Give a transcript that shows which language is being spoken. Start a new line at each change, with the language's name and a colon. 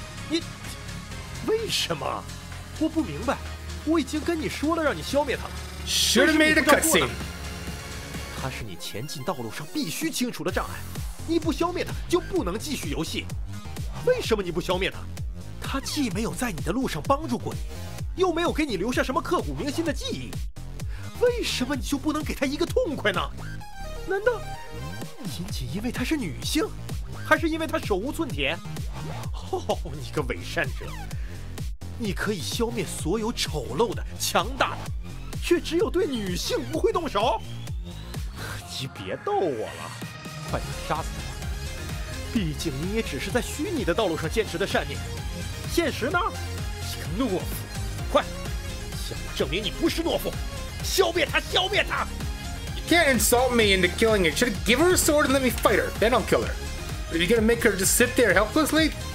English: You... Why? I don't understand. I already told you to kill him. Should've made a cutscene. He's the obstacle on your way to your path. You have to kill him. If you don't kill him, you can't continue the game. Why don't you kill him? He hasn't helped you on your way, and hasn't left you any memories of your heart.
Chinese: 为什么你就不能给她一个痛快呢？难道仅仅因为她是女性，还是因为她手无寸铁？哦，你个伪善者！你可以消灭所有丑陋的、强大的，却只有对女性不会动手。你别逗我了，快点杀死她！毕竟你也只是在虚拟的道路上坚持的善念，现实呢？你个懦夫！快，向我证明你不是懦夫！消灭他，消灭他！
English: You can't insult me into killing her. Should I give her a sword and let me fight her? Then I'll kill her. But are you gonna make her just sit there helplessly?